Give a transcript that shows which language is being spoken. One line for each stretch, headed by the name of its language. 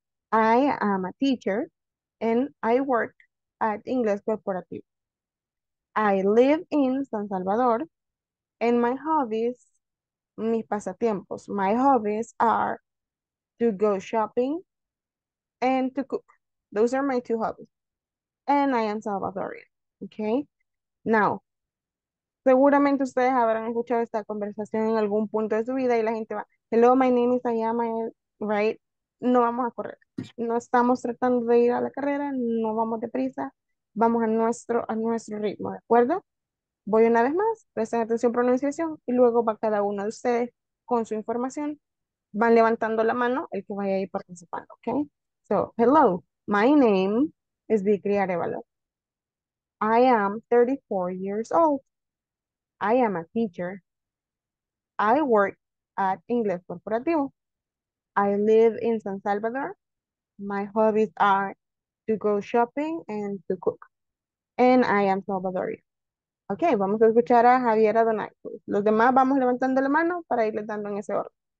English: I am a teacher and I work at Ingles Corporative. I live in San Salvador and my hobbies,
Spanish: mis pasatiempos,
English: my hobbies are to go shopping and to cook. Those are my two hobbies. And I am Salvadorian. Okay.
Spanish: Now, seguramente ustedes habrán escuchado esta conversación en algún punto de su vida y la gente va,
English: hello, my name is Ayama, right?
Spanish: No vamos a correr. No estamos tratando de ir a la carrera, no vamos deprisa, vamos a nuestro ritmo, ¿de acuerdo? Voy una vez más, presten atención, pronunciación, y luego va cada uno de ustedes con su información, van levantando la mano el que vaya a ir participando, ¿ok?
English: So, hello, my name is Vicky Arevalo. I am 34 years old. I am a teacher. I work at Inglés Corporativo. I live in San Salvador. My hobbies are to go shopping and to cook. And I am Salvadorian. Okay,
Spanish: vamos a escuchar a
English: Javier Adonai.
Spanish: Los demás vamos levantando la mano para irles dando en ese orden.